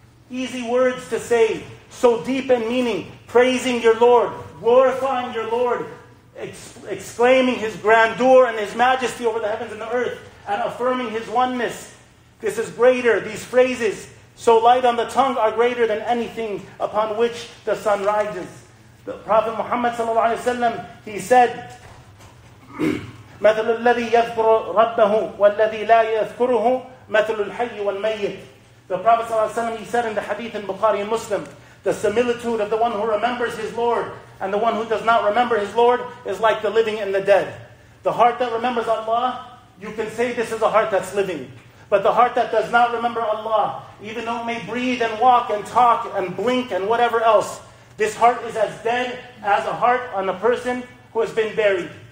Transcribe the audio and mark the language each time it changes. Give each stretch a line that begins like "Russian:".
English: Easy words to say, so deep in meaning, praising your Lord, glorifying your Lord, exclaiming His grandeur and His majesty over the heavens and the earth, and affirming His oneness. This is greater, these phrases, so light on the tongue, are greater than anything upon which the sun rises. The Prophet Muhammad sallallahu alaihi wasallam, he said,
Arabic: مَثَلُ الَّذِي يَذْكُرُ رَبَّهُ وَالَّذِي لَا يَذْكُرُهُ مَثَلُ الْحَيِّ وَالْمَيِّتِ.
English: The Prophet sallallahu alaihi wasallam, he said in the hadith in Bukhari and Muslim, the similitude of the one who remembers his Lord and the one who does not remember his Lord is like the living and the dead. The heart that remembers Allah, you can say this is a heart that's living. But the heart that does not remember Allah, even though it may breathe and walk and talk and blink and whatever else, this heart is as dead as a heart on a person who has been buried.